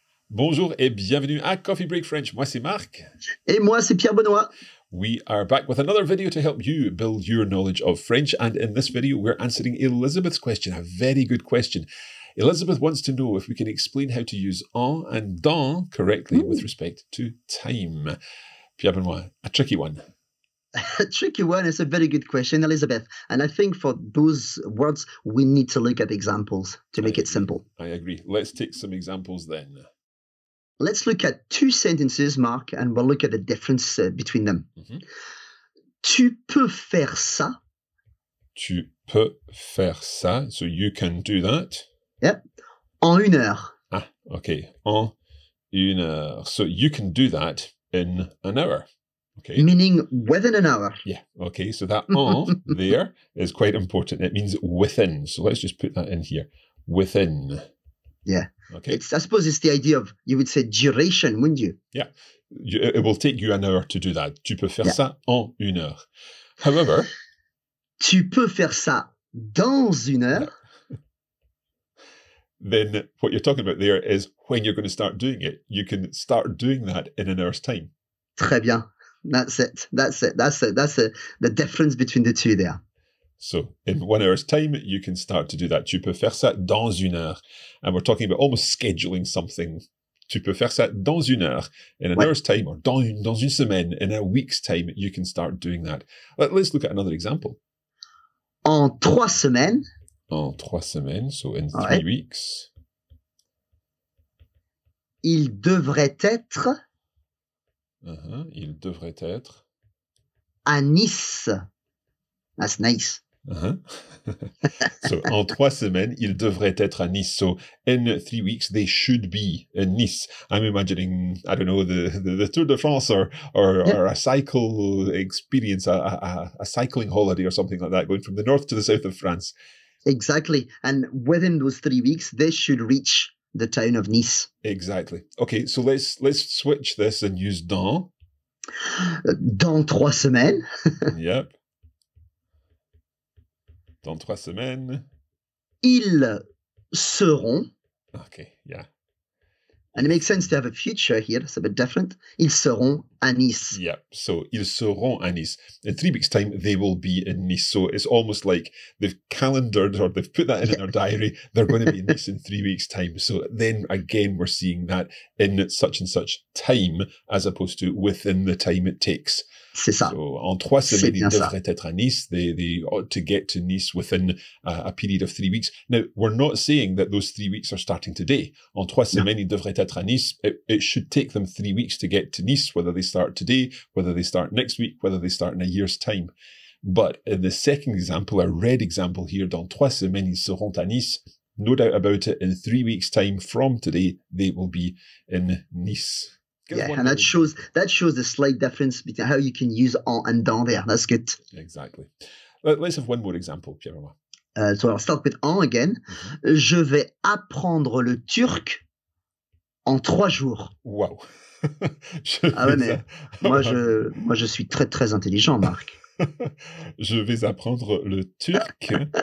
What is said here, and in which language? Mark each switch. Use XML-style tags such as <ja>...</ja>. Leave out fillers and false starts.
<fr>Bonjour et bienvenue à Coffee Break French. Moi, c'est Marc. Et moi, c'est Pierre Benoît.</fr> <en>We are back with another video to help you build your knowledge of French. And in this video, we're answering Elizabeth's question, a very good question. Elizabeth wants to know if we can explain how to use en and dans correctly with respect to time. Pierre Benoît, a tricky one. A tricky one is a very good question, Elizabeth. And I think for those words, we need to look at examples to make it simple. I agree. Let's take some examples then. Let's look at two sentences, Marc, and we'll look at the difference between them.</en> <fr>Mm-hmm. Tu peux faire ça. Tu peux faire ça.</fr> <en>So you can do that. Yep.</en> <fr>En une heure. Ah, okay. En une heure.</fr> <en>So you can do that in an hour. Okay. Meaning within an hour. Yeah. Okay. So that en there is quite important. It means within. So let's just put that in here. Within. Yeah. Okay. It's, I suppose it's the idea of, you would say, duration, wouldn't you? Yeah. It will take you an hour to do that.</en> <fr>Tu peux faire ça en une heure.</fr> <en>However,</en> <fr>tu peux faire ça dans une heure.</fr> <en>Then what you're talking about there is when you're going to start doing it. You can start doing that in an hour's time.</en> <fr>Très bien.</fr> <en>That's it. That's it. That's it. That's it. The difference between the two there. So in 1 hour's time, you can start to do that.</en> <fr>Tu peux faire ça dans une heure.</fr> <en>And we're talking about almost scheduling something.</en> <fr>Tu peux faire ça dans une heure.</fr> <en>In an hour's time, or</en> <fr>dans une semaine,</fr> <en>in a week's time, you can start doing that. Let's look at another example.</en> <fr>En 3 semaines. En 3 semaines,</fr> <en>so in 3 weeks.</en> <fr>Il devrait être... Il devrait être... À Nice.</fr> <en>That's nice.</en> <fr>So, en 3 semaines, il devrait être à Nice.</fr> <en>So, in 3 weeks, they should be in Nice. I'm imagining, I don't know, the Tour de France or a cycle experience, a cycling holiday or something like that, going from the north to the south of France. Exactly. And within those 3 weeks, they should reach the town of Nice. Exactly. Okay, so let's switch this and use dans.</en> <fr>Dans 3 semaines.</fr> <en>Yep.</en> <fr>Dans 3 semaines. Ils seront.</fr> <en>Okay, yeah. And it makes sense to have a future here. It's a bit different.</en> <fr>Ils seront à Nice.</fr> <en>Yeah, so</en> <fr>ils seront à Nice.</fr> <en>In 3 weeks' time, they will be in Nice. So it's almost like they've calendared or they've put that in their diary. They're going to be in Nice in 3 weeks' time. So then again, we're seeing that in such and such time as opposed to within the time it takes.</en> <fr>C'est ça. So, en 3 semaines, ils devraient être à Nice.</fr> <en>They ought to get to Nice within a period of 3 weeks. Now, we're not saying that those 3 weeks are starting today.</en> <fr>En 3 semaines, ils devraient être à Nice.</fr> <en>It should take them 3 weeks to get to Nice, whether they start today, whether they start next week, whether they start in a year's time. But in the second example, a red example here,</en> <fr>dans 3 semaines, ils seront à Nice.</fr> <en>No doubt about it, in 3 weeks' time from today, they will be in Nice. Yeah, and that shows the slight difference between how you can use en and dans there. That's good. Exactly. Let's have one more example, Pierre-Romain. So I'll start with en again. Mm-hmm.</en> <fr>Je vais apprendre le turc en 3 jours.</fr> <en>Wow.</en> <fr>Moi, je suis très, très intelligent, Marc. Je vais apprendre le turc.</fr>